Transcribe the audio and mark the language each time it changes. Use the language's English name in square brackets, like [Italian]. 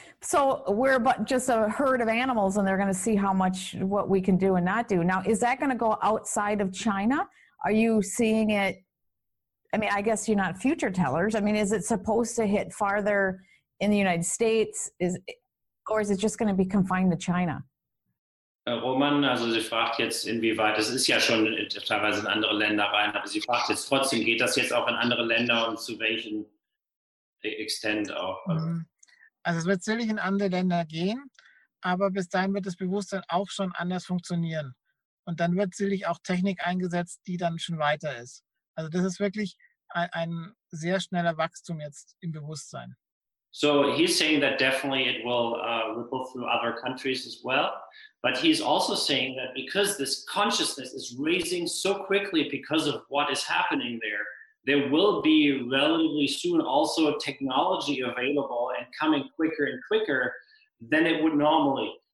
[English] So we're but just a herd of animals and they're going to see how much what we can do and not do. Now, is that going to go outside of China? Are you seeing it? I mean, I guess you're not future tellers. I mean, is it supposed to hit farther in the United States? Is it just going to be confined to China? [German] Roman, also sie fragt jetzt, inwieweit, es ist ja schon teilweise in andere Länder rein, aber sie fragt jetzt trotzdem, geht das jetzt auch in andere Länder und zu welchem Extent auch? Also es wird sicherlich in andere Länder gehen, aber bis dahin wird das Bewusstsein auch schon anders funktionieren. Und dann wird sicherlich auch Technik eingesetzt, die dann schon weiter ist. Also das ist wirklich ein sehr schneller Wachstum jetzt im Bewusstsein. [English] So he's saying that definitely it will ripple through other countries as well. But he's also saying that because this consciousness is raising so quickly because of what is happening there, there will be relatively soon also technology available and coming quicker and quicker than it would normally.